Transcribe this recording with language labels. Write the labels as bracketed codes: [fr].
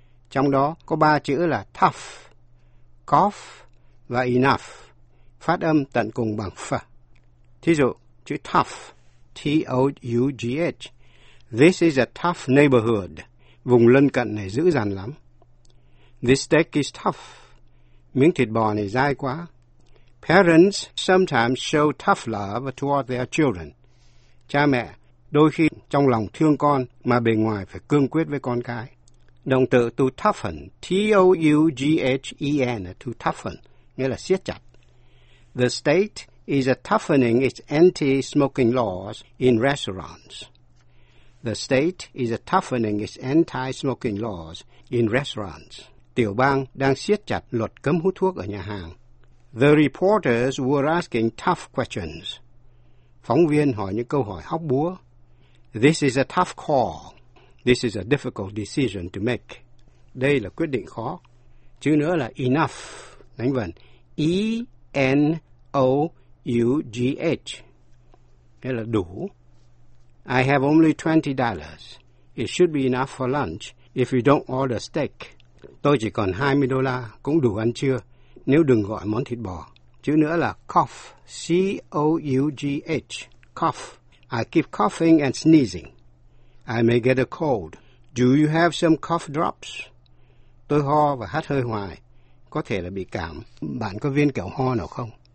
[vi] Trong đó có 3 chữ là tough, cough và enough. Phát âm tận cùng bằng F. Thí dụ, chữ tough, T-O-U-G-H. [en] This is a tough neighborhood. [vi] Vùng lân cận này dữ dằn lắm. [en] This steak is tough. [vi] Miếng thịt bò này dai quá. [en] Parents sometimes show tough love toward their children. [vi] Cha mẹ đôi khi trong lòng thương con mà bề ngoài phải cương quyết với con cái. Động từ to toughen, T-O-U-G-H-E-N, to toughen, nghĩa là siết chặt. [en] The state is a toughening its anti-smoking laws in restaurants. The state is a toughening its anti-smoking laws in restaurants. [vi] Tiểu bang đang siết chặt luật cấm hút thuốc ở nhà hàng. [en] The reporters were asking tough questions. [vi] Phóng viên hỏi những câu hỏi hóc búa. [en] This is a tough call. This is a difficult decision to make. [vi] Đây là quyết định khó. Chữ nữa là enough. Đánh vần. E-N-O-U-G-H. Nghĩa là đủ. [en] I have only $20. It should be enough for lunch if you don't order steak. [vi] Tôi chỉ còn $20 cũng đủ ăn trưa nếu đừng gọi món thịt bò. Chữ nữa là cough, C-O-U-G-H, cough. [en] I keep coughing and sneezing. I may get a cold. Do you have some cough drops? [vi] Tôi ho và hắt hơi hoài, có thể là bị cảm. Bạn có viên kẹo ho nào không?